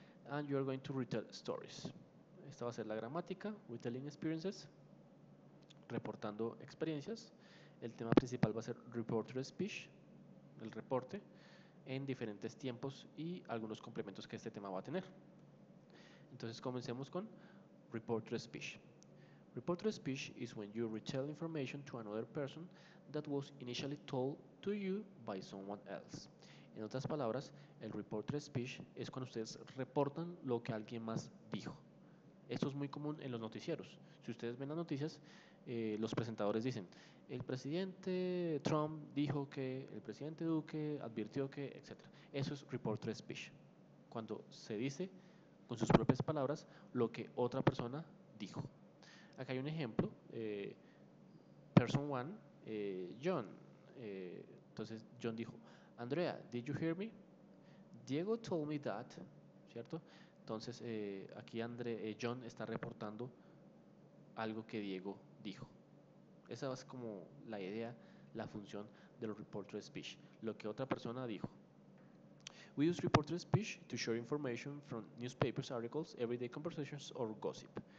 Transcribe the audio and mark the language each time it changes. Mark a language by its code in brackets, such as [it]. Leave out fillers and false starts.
[en] And you are going to retell stories. [es] Esta va a ser la gramática, [en] retelling experiences, [es] reportando experiencias. El tema principal va a ser reporter speech, el reporte, en diferentes tiempos y algunos complementos que este tema va a tener. Entonces comencemos con reporter speech. [en] Reporter speech is when you retell information to another person that was initially told to you by someone else. [es] En otras palabras, el reporter speech es cuando ustedes reportan lo que alguien más dijo. Esto es muy común en los noticieros. Si ustedes ven las noticias, los presentadores dicen, el presidente Trump dijo que, el presidente Duque advirtió que, etc. Eso es reporter speech. Cuando se dice con sus propias palabras lo que otra persona dijo. Acá hay un ejemplo, person one, John. Entonces John dijo, [en] Andrea, did you hear me? Diego told me that, [es] ¿cierto? Entonces aquí John está reportando algo que Diego dijo. Esa es como la idea, la función del reporter speech, lo que otra persona dijo. [en] We use reporter speech to share information from newspapers, articles, everyday conversations or gossip.